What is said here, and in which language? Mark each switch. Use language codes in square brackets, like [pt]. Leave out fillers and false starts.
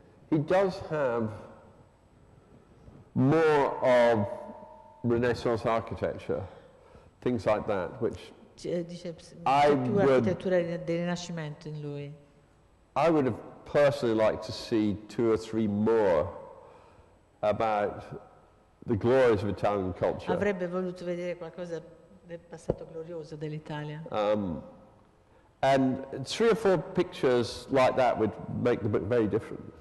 [en] He does have more of Renaissance architecture, things like that, which I would have personally liked to see two or three more about the glories of Italian culture. [it] Avrebbe voluto vedere qualcosa del passato glorioso dell'Italia. [en] And three or four pictures like that would make the book very different.